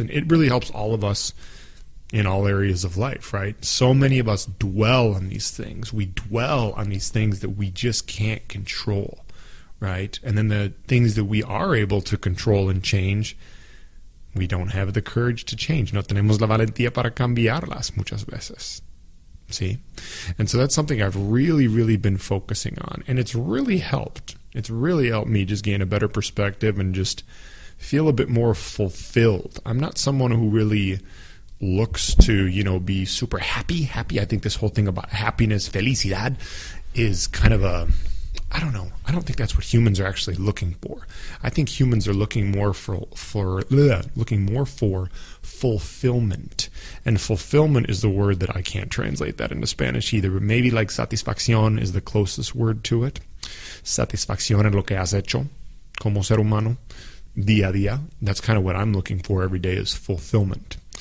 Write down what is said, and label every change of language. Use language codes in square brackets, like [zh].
[en] And it really helps all of us in all areas of life, right? So many of us dwell on these things. We dwell on these things that we just can't control, right? And then the things that we are able to control and change, we don't have the courage to change. [es] No tenemos la valentía para cambiarlas muchas veces. [en] See? And so that's something I've really, really been focusing on. And it's really helped. It's really helped me just gain a better perspective and just feel a bit more fulfilled. I'm not someone who really looks to, you know, be super happy. Happy, I think this whole thing about happiness, felicidad, is kind of a, I don't know. I don't think that's what humans are actually looking for. I think humans are looking more for fulfillment. And fulfillment is the word that I can't translate that into Spanish either. But maybe like satisfacción is the closest word to it. [es] Satisfacción en lo que has hecho como ser humano, día a día. [en] That's kind of what I'm looking for every day is fulfillment.